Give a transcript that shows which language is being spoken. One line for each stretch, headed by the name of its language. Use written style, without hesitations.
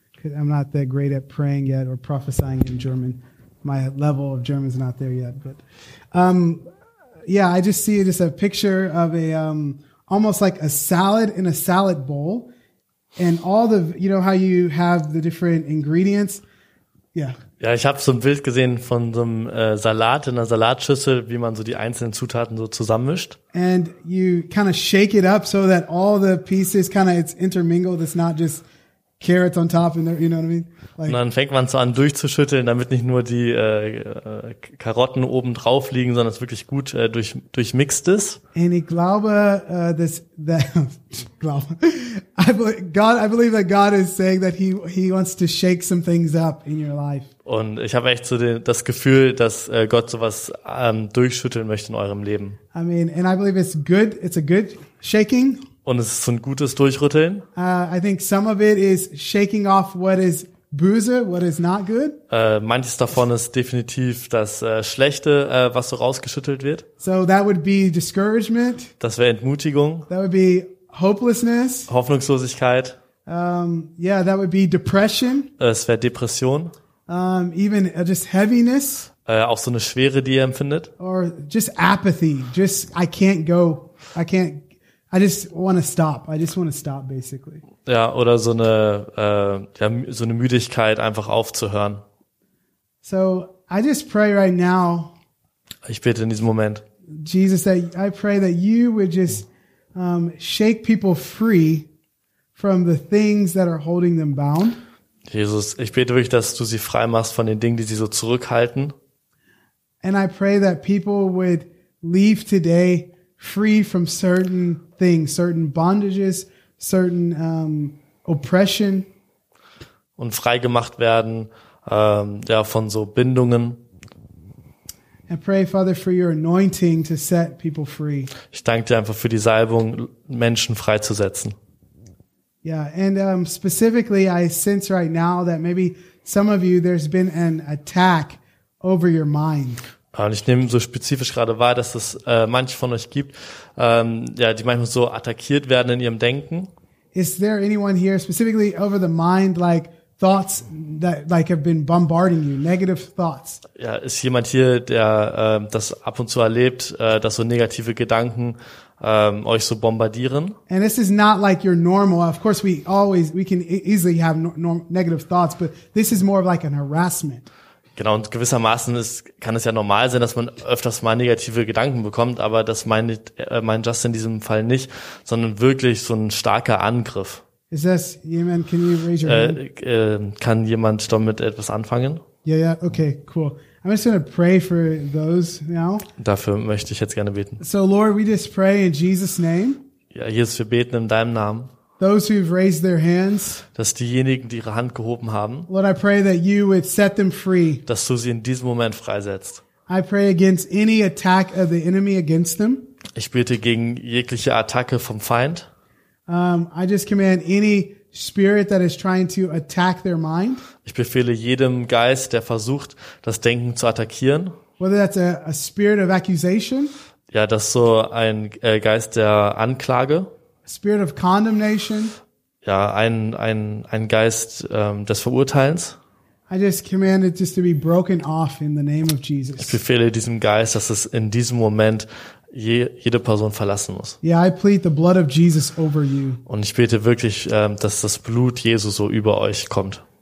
English: Because I'm not that great at praying yet or prophesying in German. My level of German is not there yet. But yeah, I just see just a picture of a almost like a salad in a salad bowl. And all the, you know how you have the different ingredients? Yeah.
German: Ja, ich habe so ein Bild gesehen von so einem Salat in einer Salatschüssel, wie man so die einzelnen Zutaten so zusammenmischt.
English: And you kind of shake it up so that all the pieces kind of it's intermingled. It's not just carrots on top, and you know what I mean?
German: Like, und dann fängt man so an durchzuschütteln, damit nicht nur die Karotten oben drauf liegen, sondern es wirklich gut durchmixt ist.
English: And
German: ich glaube,
English: I believe that God is saying that he wants to shake some things up in your life.
German: Und ich habe echt so das Gefühl, dass Gott sowas durchschütteln möchte in eurem Leben.
English: I mean, and I believe it's good. It's a good shaking.
German: Und es ist so ein gutes Durchrütteln.
English: I think some of it is shaking off what is böse, what is not good.
German: Manches davon ist definitiv das Schlechte, was so rausgeschüttelt wird.
English: So that would be discouragement.
German: Das wäre Entmutigung.
English: That would be hopelessness.
German: Hoffnungslosigkeit.
English: Yeah, that would be depression.
German: Es wäre Depression.
English: Even just heaviness.
German: Auch so eine Schwere, die ihr empfindet.
English: Or just apathy. Just I can't go. I just want to stop. I just want to stop, basically.
German: Ja, oder so eine so eine Müdigkeit, einfach aufzuhören.
English: So I just pray right now.
German: Ich bete in diesem Moment.
English: Jesus, I pray that you would just shake people free from the things that are holding them bound.
German: Jesus, ich bete wirklich, dass du sie frei machst von den Dingen, die sie so zurückhalten.
English: And I pray that people would leave today free from certain things, certain bondages, certain oppression.
German: Und freigemacht werden von so Bindungen.
English: And pray, Father, for your anointing to set people free.
German: Ich danke dir einfach für die Salbung, Menschen freizusetzen.
English: Yeah, and specifically, I sense right now that maybe some of you, there's been an attack over your mind.
German: Und ich nehme so spezifisch gerade wahr, dass es manche von euch gibt, die manchmal so attackiert werden in ihrem Denken.
English: Is there anyone here specifically over the mind, like thoughts that like have been bombarding you, negative thoughts?
German: Ja, ist jemand hier, der das ab und zu erlebt, dass so negative Gedanken euch so bombardieren?
English: And this is not like your normal. Of course, we can easily have negative thoughts, but this is more of like an harassment.
German: Genau, und gewissermaßen kann es ja normal sein, dass man öfters mal negative Gedanken bekommt, aber das meint Justin in diesem Fall nicht, sondern wirklich so ein starker Angriff.
English: Is this, Yemen, can you raise your hand?
German: Kann jemand damit etwas anfangen?
English: Yeah, okay, cool. I'm just gonna pray for those now.
German: Dafür möchte ich jetzt gerne beten.
English: So Lord, we just pray in Jesus' name.
German: Ja, Jesus, wir beten in deinem Namen.
English: Those who've raised their hands.
German: Dass diejenigen, die ihre Hand gehoben haben.
English: Lord, I pray that you would set them free.
German: Dass du sie in diesem Moment freisetzt.
English: I pray against any attack of the enemy against them.
German: Ich bete gegen jegliche Attacke vom Feind.
English: I just command any spirit that is trying to attack their mind.
German: Ich befehle jedem Geist, der versucht, das Denken zu attackieren.
English: Whether that's a spirit of accusation.
German: Ja, das ist so ein Geist der Anklage.
English: Spirit of condemnation.
German: Ja, ein Geist des Verurteilens.
English: I just command it just to be broken off in the name of Jesus.
German: Ich befehle diesem Geist, dass es in diesem Moment jede Person verlassen muss.
English: Yeah, I plead the blood of Jesus over you.
German: Und ich bete wirklich, dass das Blut Jesu so über euch kommt.